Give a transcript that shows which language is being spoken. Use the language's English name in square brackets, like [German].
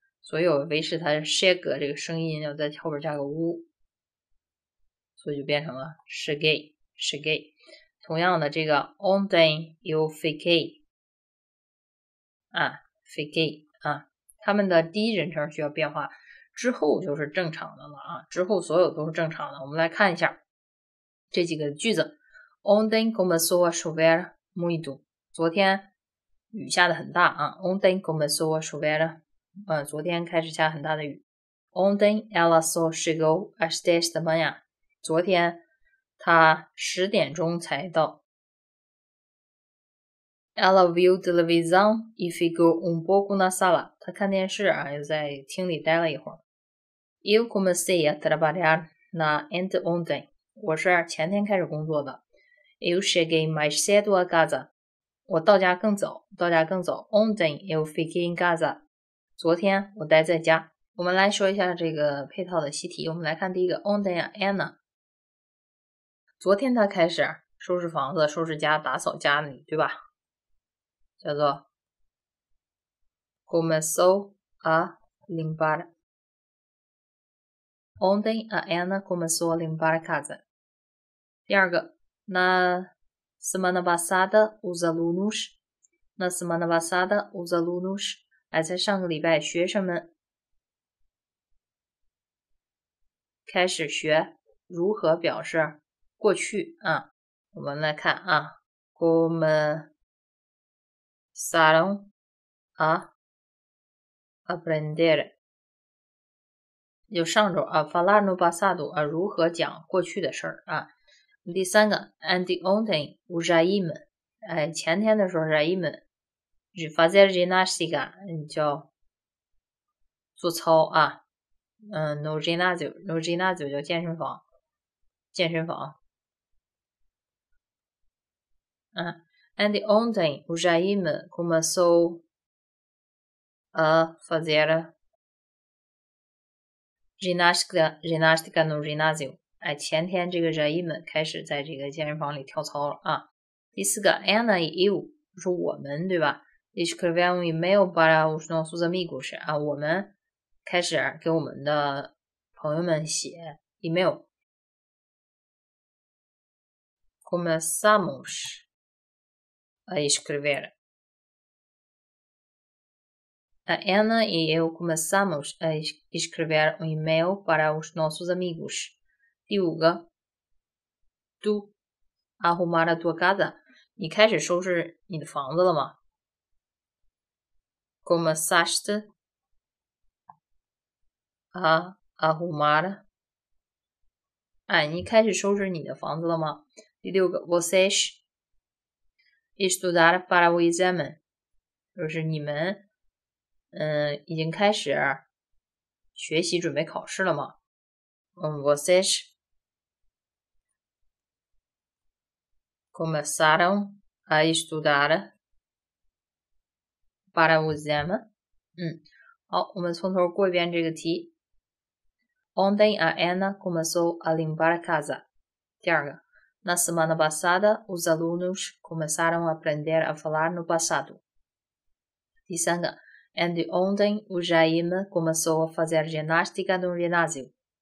[Chinese] 所以我维持它 shag 这个声音要在后边加个 u， 所以就变成了 shagay。同样的，这个 [Portuguese] ontem eu fiquei [Chinese] 他们的第一人称需要变化，之后就是正常的了啊，之后所有都是正常的。我们来看一下这几个句子。 [Portuguese] Ontem começou a chover muito， [Chinese] 昨天雨下的很大啊。 [Portuguese] Ontem começou a chover， [Chinese] 昨天开始下很大的雨。 [Portuguese] Ontem ela só chegou às 10 da manhã， [Chinese] 昨天她十点钟才到。 [Portuguese] Ela viu televisão e ficou pouco na sala， [Chinese] 她看电视啊，又在厅里待了一会儿。 [Portuguese] Eu comecei a trabalhar na anteontem， [Chinese] 我是前天开始工作的。 [Portuguese] Eu cheguei mais cedo a casa， [Chinese] 我到家更早，到家更早。 [Portuguese] Ontem eu fiquei em casa， [Chinese] 昨天我待在家。我们来说一下这个配套的习题。我们来看第一个 [Portuguese] ontem Anna， [Chinese] 昨天他开始收拾房子、收拾家、打扫家里，对吧？叫做 [Portuguese] começou a limpar。 Ontem a Ana começou a limpar a casa。 [Chinese] 第二个， [Portuguese] Na semana passada os alunos， [Chinese] 在上个礼拜学生们开始学如何表示过去啊。我们来看啊， [Portuguese] começaram a aprender， [Chinese] 就上周啊 ， [Portuguese] falar no passado [Chinese] 啊，如何讲过去的事儿啊？第三个 ， [Portuguese] anteontem o Jaime， [Chinese] 前天的时候 Jaime， [Portuguese] fazer ginástica [Chinese] 叫做操啊， [Portuguese] no ginásio [Chinese] 叫健身房，健身房。 [Portuguese] anteontem o Jaime começou a fazer Gymnastica no ginásio。 [Chinese] 哎，前天这个人一们开始在这个健身房里跳操了啊。第四个 ， [Portuguese] Anna e eu， [Chinese] 说我们对吧 ？ [Portuguese] Escrevendo e-mail para os nossos amigos [Chinese] 啊，我们开始给我们的朋友们写 email。 [Portuguese] Começamos a escrever. A Anna e eu começamos a escrever e-mail para os nossos amigos. [Chinese] 第五个 ， [Portuguese] tu arrumar a tua casa， [Chinese] 你开始收拾你的房子了吗 ？ [Portuguese] Começaste a arrumar， [Chinese] 哎，你开始收拾你的房子了吗？第六个 ， [Portuguese] vocês estudar para o exame， [Chinese] 就是你们，已经开始学习准备考试了吗？ [Portuguese] vocês começaram a estudar para o exame. [Chinese] 好，我们从头过一遍这个题。 [Portuguese] Ontem a Anna começou a limpar a casa. 第二个 ，Na semana passada os alunos começaram a aprender a falar no passado. 第三个 ，And ontem o Jaim começou a fazer ginástica no ginásio.